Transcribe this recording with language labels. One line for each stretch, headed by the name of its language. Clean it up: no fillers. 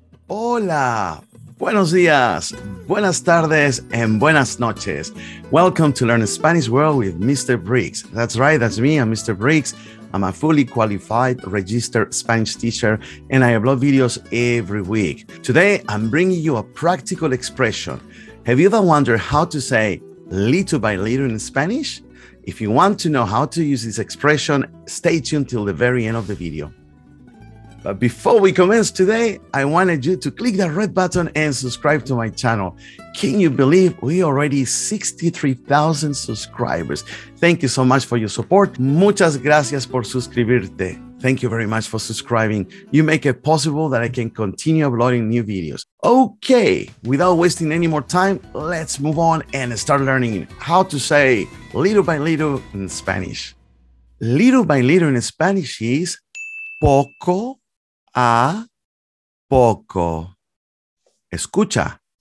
Spanish: Hola, buenos días, buenas tardes, and buenas noches.
English: Welcome to Learn Spanish World with Mr. Briggs. That's right, that's me, I'm Mr. Briggs. I'm a fully qualified registered Spanish teacher, and I upload videos every week. Today, I'm bringing you a practical expression. Have you ever wondered how to say little by little in Spanish? If you want to know how to use this expression, stay tuned till the very end of the video. But before we commence today, I wanted you to click the red button and subscribe to my channel. Can you believe we already 63,000 subscribers? Thank you so much for your support.
Spanish: Muchas gracias por suscribirte.
English: Thank you very much for subscribing. You make it possible that I can continue uploading new videos. Okay, without wasting any more time, let's move on and start learning how to say little by little in Spanish. Little by little in Spanish is poco a poco.
Spanish: Escucha.